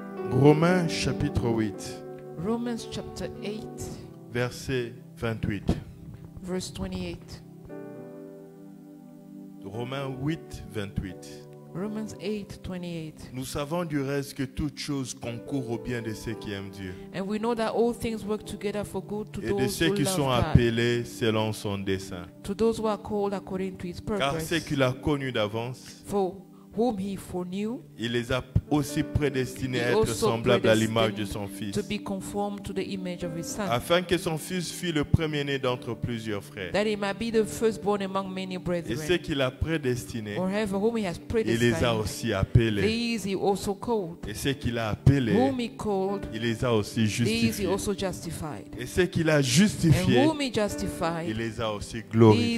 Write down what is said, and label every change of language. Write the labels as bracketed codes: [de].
[fr] Romains chapitre 8. [en] Romans chapter 8. [fr] Verset 28. [en] Verse 28. [fr] Romains 8, 28. [en] Romans 8, 28. [fr] Nous savons du reste que toutes choses concourent au bien de ceux qui aiment Dieu. [en] And we know that all things work together for good to those who love God. [fr] Et de ceux qui sont appelés selon son dessein. [en] To those who are called according to his purpose. [fr] Car ceux qu'il a connus d'avance. [en] For whom he foreknew, [fr] il les a aussi prédestinés à être semblables à l'image de son fils, [en] to be conformed to the image of his son, [fr] afin que son fils fût le premier-né d'entre plusieurs frères, [en] that he might be the firstborn among many brethren. [fr] Et ce qu'il a prédestiné, [en] whoever, whom he has predestined, [fr] il les a aussi appelés, [en] these he also called. [fr] Et ce qu'il a appelé, [en] whom he called, [fr] il les a aussi justifiés, [en] these he also justified. [fr] Et ce qu'il a justifié, [en] and whom he justified, [fr] il les a aussi glorifiés,